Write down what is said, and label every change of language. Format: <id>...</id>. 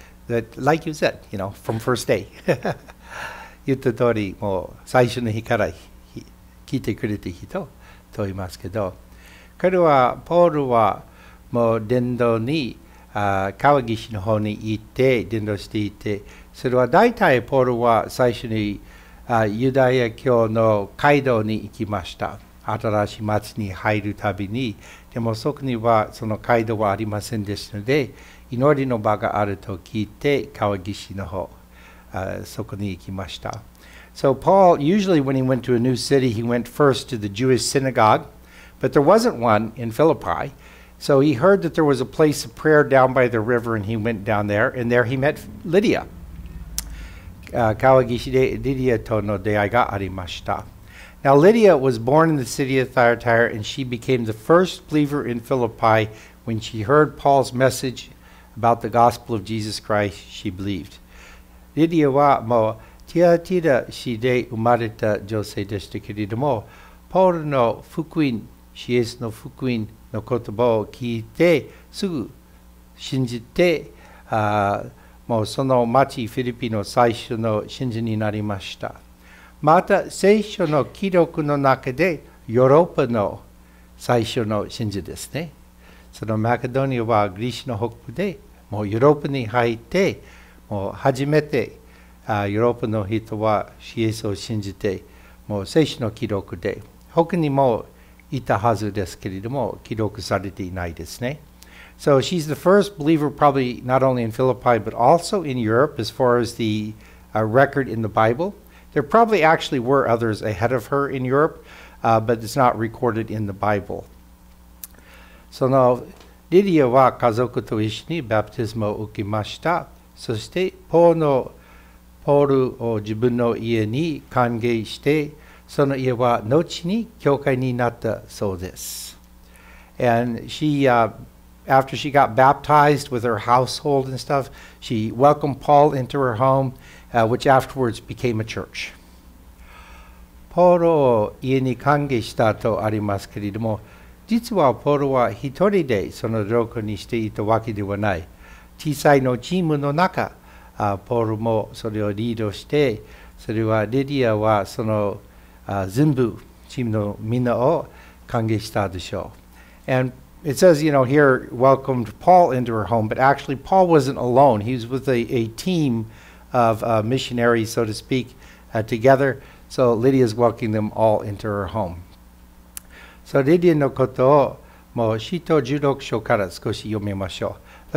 <en>That, like you said, you know, from first day.</en> <ja>言った通り、もう最初の日から聞いてくれた人と言いますけど、これは、ポールは、もう伝道に川岸の方に行って伝道していて、それは大体ポールは最初にユダヤ教の街道に行きました。新しい町に入るたびに。でもそこにはその街道はありませんでしたので、祈りの場があると聞いて川岸の方そこに行きました。</ja> <en>So Paul, usually when he went to a new city, he went first to the Jewish synagogue, but there wasn't one in Philippi. So he heard that there was a place of prayer down by the river, and he went down there, and there he met Lydia.</en> <ja>川岸でリディアとの出会いがありました。</ja> <en>Now Lydia was born in the city of Thyatira, and she became the first believer in Philippi. When she heard Paul's message about the gospel of Jesus Christ, she believed.</en> <ja>リディアはもうティアティラ市で生まれた女性でしたけれども、ポールの福音、イエスの福音の言葉を聞いてすぐ信じて、もうその町フィリピの最初の信者になりました。また聖書の記録の中でヨーロッパの最初の信者ですね。そのマケドニアはギリシャの北部で、もうヨーロッパに入ってもう初めてヨーロッパの人はイエスを信じて、もう聖書の記録で他にもいたはずですけれども記録されていないですね。</ja> <en>So she's the first believer probably not only in Philippi but also in Europe as far as the record in the Bible. There probably actually were others ahead of her in Europe, but it's not recorded in the Bible.</en> <ja>そのリディアは家族と一緒にバプティスムを受けました。そしてポーのポールを自分の家に歓迎して、その家は後に教会になったそうです。 And she, after she got baptized with her household and stuff, she welcomed Paul into her home, which afterwards became a church. ポールを家に歓迎したとありますけれども、実はポールは一人でその旅行にしていたわけではない。小さいのチームの中、ポールもそれをリードして、それはリディアはその全部チームのみんなを歓迎したでしょう。</ja> <en>And it says, you know, here welcomed Paul into her home, but actually Paul wasn't alone. He was with a team of missionaries, so to speak, together. So Lydia is welcoming them all into her home.</en> <ja>So Lydia のことをもう使徒16章から少し読みましょう。</ja>